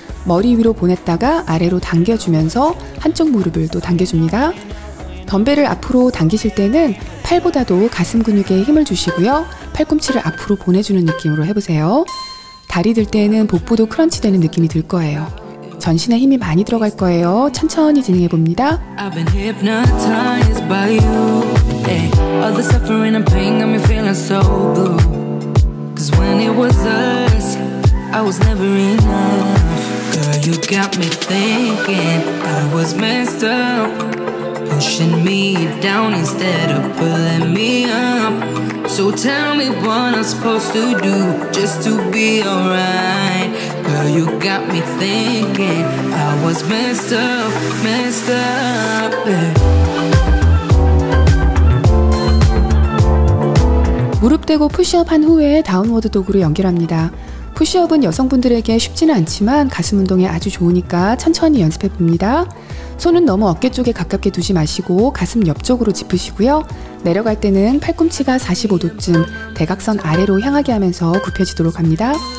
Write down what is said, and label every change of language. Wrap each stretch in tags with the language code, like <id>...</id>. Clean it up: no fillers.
<ko>머리 위로 보냈다가 아래로 당겨주면서 한쪽 무릎을 또 당겨줍니다. 덤벨을 앞으로 당기실 때는 팔보다도 가슴 근육에 힘을 주시고요. 팔꿈치를 앞으로 보내주는 느낌으로 해보세요. 다리 들 때에는 복부도 크런치 되는 느낌이 들 거예요. 전신에 힘이 많이 들어갈 거예요. 천천히 진행해봅니다.</ko> <en>I've been hypnotized by you. All the suffering and pain got me feeling so blue. Cause when it was us, I was never enough. You got me thinking I was messed up. Pushing me down instead of pulling me up. So tell me what I'm supposed to do just to be alright. Girl, you got me thinking I was messed up, yeah.</en> <ko>무릎대고 푸시업한 후에 다운워드 도그로 연결합니다. 푸시업은 여성분들에게 쉽지는 않지만 가슴 운동에 아주 좋으니까 천천히 연습해봅니다. 손은 너무 어깨 쪽에 가깝게 두지 마시고 가슴 옆쪽으로 짚으시고요. 내려갈 때는 팔꿈치가 45도쯤 대각선 아래로 향하게 하면서 굽혀지도록 합니다.</ko>